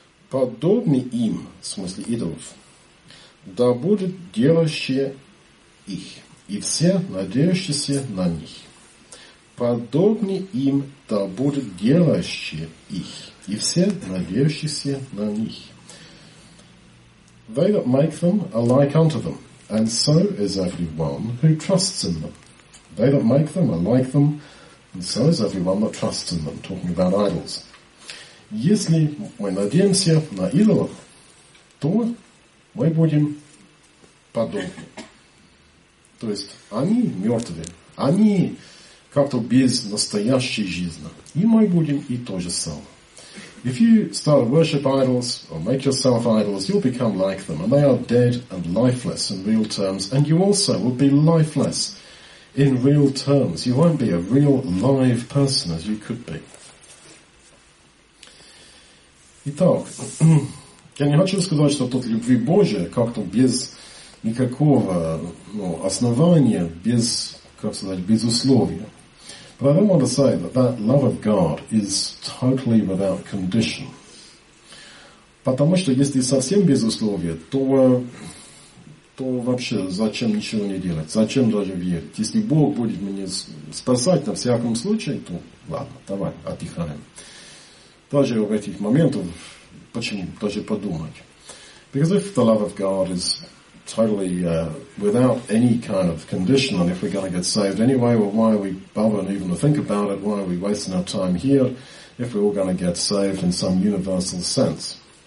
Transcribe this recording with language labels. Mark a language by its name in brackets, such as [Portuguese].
[Russian] Подобны им, в смысле идолов, да будут делающие их, и все надеющиеся на них. подобны им, да будут делающие их, и все надеющиеся на них. [English] They that make them are like unto them, and so is every one who trusts in them. They that make them are like them, and so is everyone that trusts in them, talking about idols. [Russian] Если мы надеемся на идолов, то мы будем подобны. То есть они мертвые, они как-то без настоящей жизни. И мы будем и то же самое. [English] If you start worship idols or make yourself idols, you'll become like them, and they are dead and lifeless in real terms, and you also will be lifeless in real terms. You won't be a real live person as you could be. [Russian] Итак, я не хочу сказать, что тут любви Божия как-то без никакого основания, без, как сказать, без условия. [English] But I don't want to say that that love of God is totally without condition. [Russian] Потому что если совсем без условия, то вообще зачем ничего не делать, зачем даже верить. Если Бог будет меня спасать на всяком случае, то ладно, давай, отдыхаем. Даже в этих моментах, почему, даже подумать. [English] Because if the love of God is totally without any kind of condition, and if we're going to get saved anyway, well, why are we bothering even to think about it? Why are we wasting our time here if we're all going to get saved in some universal sense?